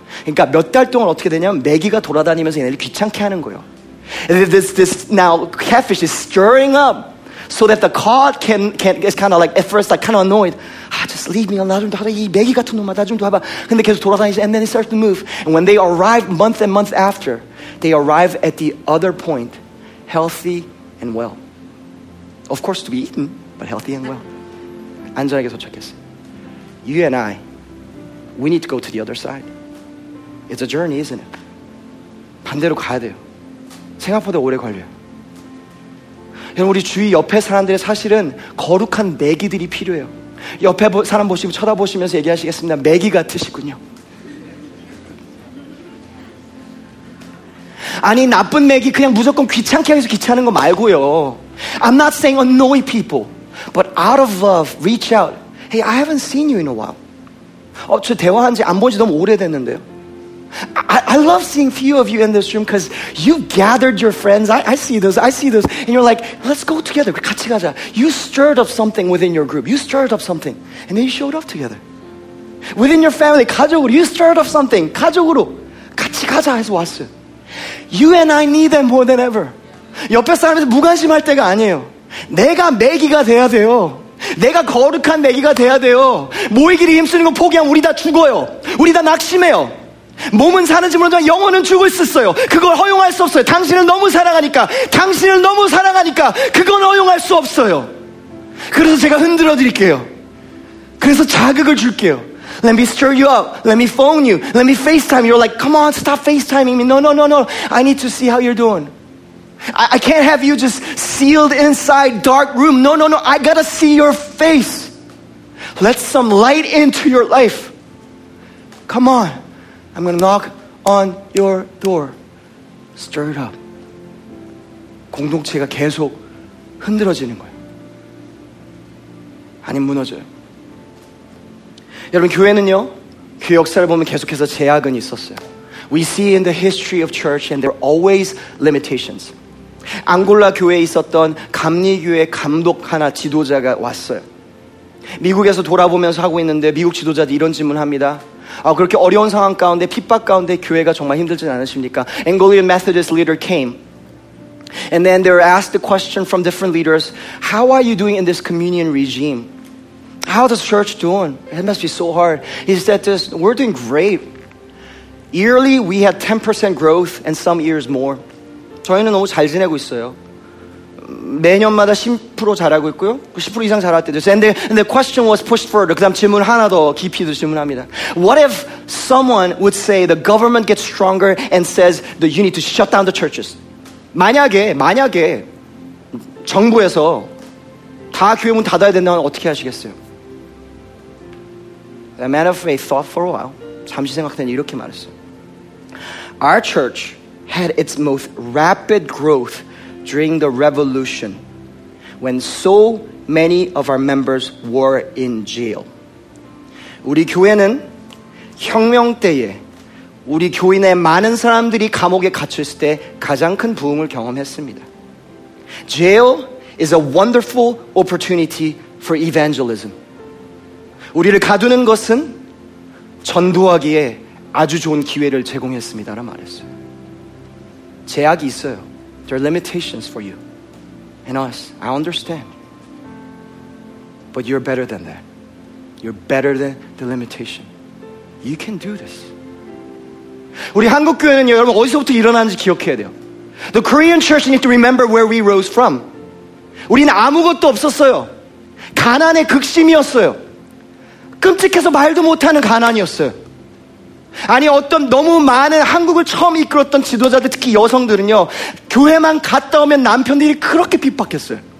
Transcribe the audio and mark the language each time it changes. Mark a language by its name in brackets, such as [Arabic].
[Korean] 그러니까 몇 달 동안 어떻게 되냐면 메기가 돌아다니면서 얘네를 귀찮게 하는 거예요. [English] This now catfish is stirring up so that the cod can is kind of like at first like kind of annoyed. Ah, just leave me alone. [Korean] 나 좀 더 하라. 이 메기 같은 놈아, 나 좀 더 해봐. 근데 계속 돌아다니지. [English] And then it starts to move. And when they arrive month and month after, they arrive at the other point. Healthy and well. Of course, to be eaten, but healthy and well. [Korean] 안전하게 도착했어. [English] You and I, we need to go to the other side. It's a journey, isn't it? [Korean] 반대로 가야 돼요. 생각보다 오래 걸려요. 여러분, 우리 주위 옆에 사람들의 사실은 거룩한 매기들이 필요해요. 옆에 사람 보시고 쳐다보시면서 얘기하시겠습니다. 매기 같으시군요. 아니 나쁜 맥이 그냥 무조건 귀찮게 해서 귀찮은 거 말고요. [English] I'm not saying annoy people, but out of love, reach out. Hey, I haven't seen you in a while. [Korean] 어, 저 대화한 지 안 본 지 너무 오래됐는데요. [English] I love seeing few of you in this room because you gathered your friends. I see those. And you're like, let's go together. [Korean] 같이 가자. [English] You stirred up something within your group. You stirred up something. And then you showed up together. Within your family, [Korean] 가족으로. [English] You stirred up something. 가족으로. [Korean] 같이 가자 해서 왔어요. [English] You and I need them more than ever. [Korean] 옆에 사람에서 무관심할 때가 아니에요. 내가 매기가 돼야 돼요. 내가 거룩한 매기가 돼야 돼요. 모이기를 힘쓰는 거 포기하면 우리 다 죽어요. 우리 다 낙심해요. 몸은 사는지 모르지만 영혼은 죽을 수 있어요. 그걸 허용할 수 없어요. 당신을 너무 사랑하니까. 당신을 너무 사랑하니까 그건 허용할 수 없어요. 그래서 제가 흔들어 드릴게요. 그래서 자극을 줄게요. [English] Let me stir you up. Let me phone you. Let me FaceTime. You're like, come on, stop FaceTiming me. No. I need to see how you're doing. I can't have you just sealed inside dark room. No. I gotta see your face. Let some light into your life. Come on. I'm gonna knock on your door. Stir it up. [Korean] 공동체가 계속 흔들어지는 거예요. 아니면 무너져요. 여러분 교회는요 그 역사를 보면 계속해서 제약은 있었어요. [English] We see in the history of church and there are always limitations. [Korean] 앙골라 교회에 있었던 감리교회 감독 하나 지도자가 왔어요. 미국에서 돌아보면서 하고 있는데 미국 지도자들 이런 질문을 합니다. 아, 그렇게 어려운 상황 가운데 핍박 가운데 교회가 정말 힘들진 않으십니까? [English] Anglican Methodist leader came. And then they were asked the question from different leaders. How are you doing in this communion regime? How does church doing? It must be so hard. He said this, we're doing great. Yearly, we had 10% growth and some years more. [Korean] 저희는 너무 잘 지내고 있어요. 매년마다 10% 잘하고 있고요. 10% 이상 잘할 때도 있어요. [English] And the question was pushed further. [Korean] 그 다음 질문 하나 더 깊이 질문합니다. [English] What if someone would say the government gets stronger and says that you need to shut down the churches? [Korean] 만약에 정부에서 다 교회 문 닫아야 된다면 어떻게 하시겠어요? [English] A man of faith thought for a while. [Korean] 잠시 생각하더니 이렇게 말했어요. [English] Our church had its most rapid growth during the revolution when so many of our members were in jail. [Korean] 우리 교회는 혁명 때에 우리 교인의 많은 사람들이 감옥에 갇혔을 때 가장 큰 부흥을 경험했습니다. [English] Jail is a wonderful opportunity for evangelism. [Korean] 우리를 가두는 것은 전도하기에 아주 좋은 기회를 제공했습니다라 말했어요. 제약이 있어요. [English] There are limitations for you and us. I understand. But you're better than that. You're better than the limitation. You can do this. [Korean] 우리 한국 교회는요, 여러분 어디서부터 일어났는지 기억해야 돼요. [English] The Korean church need to remember where we rose from. [Korean] 우리는 아무것도 없었어요. 가난의 극심이었어요. 끔찍해서 말도 못하는 가난이었어요. 아니 어떤 너무 많은 한국을 처음 이끌었던 지도자들, 특히 여성들은요, 교회만 갔다 오면 남편들이 그렇게 핍박했어요.